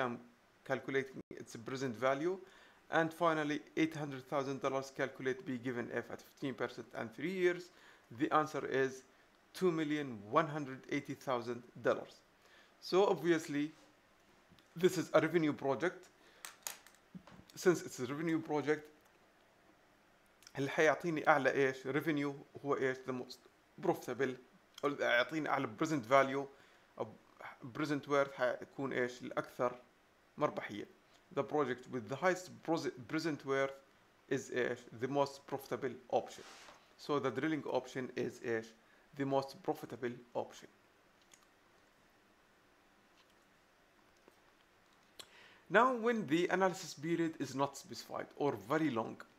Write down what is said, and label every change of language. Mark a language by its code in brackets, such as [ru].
[en] I'm calculating its present value. And finally, $800,000 calculate B given F at 15% and 3 years. The answer is $2,180,000. So obviously, this is a revenue project. [ar] Since it's a revenue project, هل حيعطيني أعلى إيش revenue, هو إيش [en] the most profitable, [ar] أو يعطيني أعلى present value أو present worth, حيكون إيش الأكثر مربحية. [en] The project with the highest present worth is إيش the most profitable option. So the drilling option is إيش the most profitable option. Now when the analysis period is not specified or very long.